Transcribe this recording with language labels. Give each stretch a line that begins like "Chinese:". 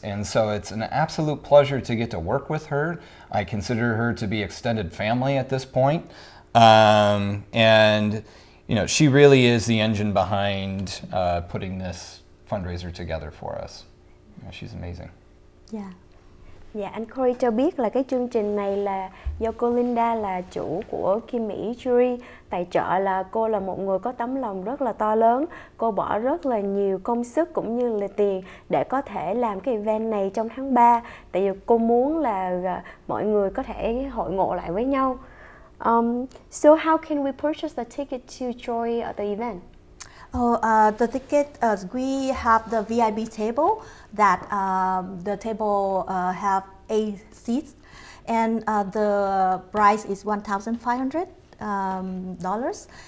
English: And so it's an absolute pleasure to get to work with her. I consider her to be extended family at this point. And, you know, she really is the engine behind putting this fundraiser together for us. You know, she's amazing. Yeah.
Vietnamese: Dạ, anh Corey cho biết là cái chương trình này là do cô Linda là chủ của Kim Mỹ Jewelry tài trợ. Là cô là một người có tấm lòng rất là to lớn, cô bỏ rất là nhiều công sức cũng như là tiền để có thể làm cái event này trong tháng 3, tại vì cô muốn là mọi người có thể hội ngộ lại với nhau.
English: So how can we purchase the ticket to join the event? The ticket, we have the VIP table that the table have 8 seats, and the price is $1,500.